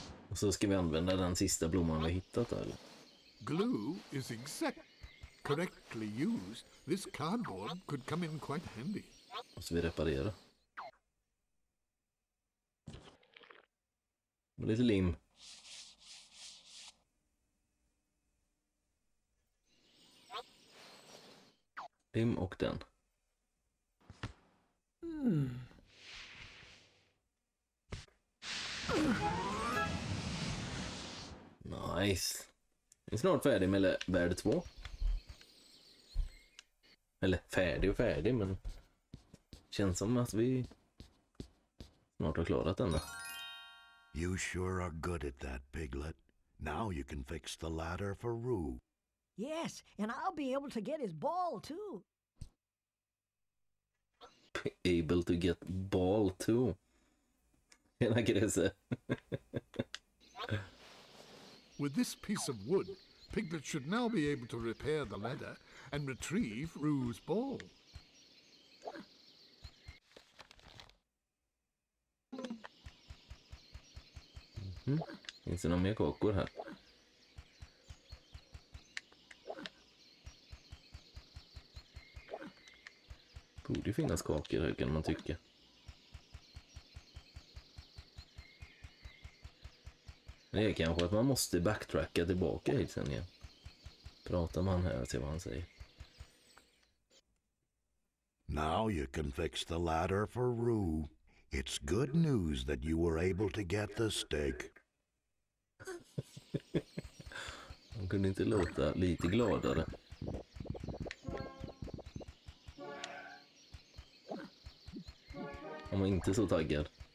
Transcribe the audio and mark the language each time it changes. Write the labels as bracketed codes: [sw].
[sv] Och så ska vi använda den sista blomman vi hittat här. [en] Glue is exact. Correctly used, this cardboard could come in quite handy. [sv] Och så vi reparera. Och lite lim. Lim och den. [en] Nice. [sv] Vi är snart färdig med värld 2. Eller färdig och färdig, men känns som att vi snart har klarat den då. [en] You sure are good at that, Piglet. Now you can fix the ladder for Roo. Yes, and I'll be able to get his ball too. Able to get ball too. [sv] Hela gräset. [en] With this piece of wood, Piglet should now be able to repair the ladder and retrieve Roo's ball. Mm-hmm. [sv] Finns det några mer kakor här? Borde ju finnas kakor här, kan man tycka. Det är kanske att man måste backtracka tillbaka hit sen igen. Pratar man här och ser vad han säger. [en] Now you can fix the ladder for Roo. It's good news that you were able to get the stick. [sv] Han kunde inte låta lite gladare. Han var inte så taggad.